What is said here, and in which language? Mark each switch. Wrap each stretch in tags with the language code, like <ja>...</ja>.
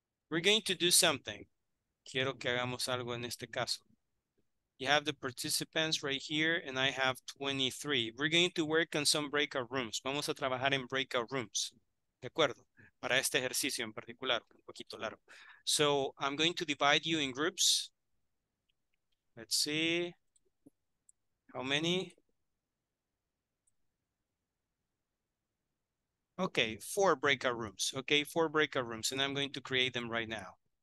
<en>We're going to do something.</en> <es>Quiero que hagamos algo en este caso.</es> <en>You have the participants right here, and I have 23. We're going to work on some breakout rooms.</en> <es>Vamos a trabajar en breakout rooms. ¿De acuerdo? Para este ejercicio en particular, un poquito largo.</es> <en>So I'm going to divide you in groups. Let's see. How many? Okay, four breakout rooms. Okay, four breakout rooms, and I'm going to create them right now.</en>